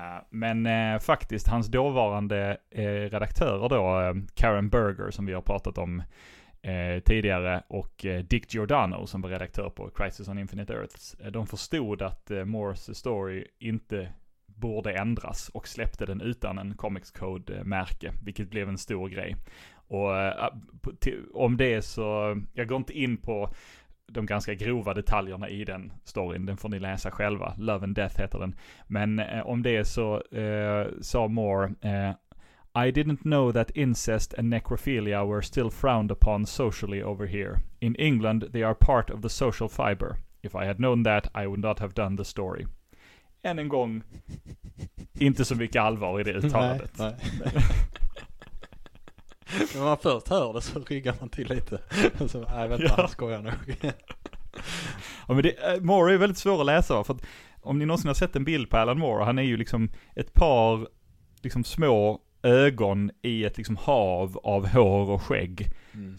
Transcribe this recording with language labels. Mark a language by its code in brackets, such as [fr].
[sv] Men faktiskt hans dåvarande redaktörer då, Karen Berger som vi har pratat om tidigare, och Dick Giordano som var redaktör på Crisis on Infinite Earths, de förstod att Moore's story inte borde ändras och släppte den utan en Comics Code-märke, vilket blev en stor grej. Och om det så, jag går inte in på de ganska grova detaljerna i den storyn, den får ni läsa själva. Love and Death heter den. Men om det så sa Moore, [en] I didn't know that incest and necrophilia were still frowned upon socially over here. In England they are part of the social fiber. If I had known that I would not have done the story. [sv] Än en gång, inte så mycket allvar i det uttalandet. Nej. När man först hör det så ryggar man till lite. Så, nej, vänta, han skojar nog. Ja, men Moore är väldigt svår att läsa. För att, om ni någonsin har sett en bild på Alan Moore, han är ju liksom ett par liksom små ögon i ett liksom hav av hår och skägg. Mm.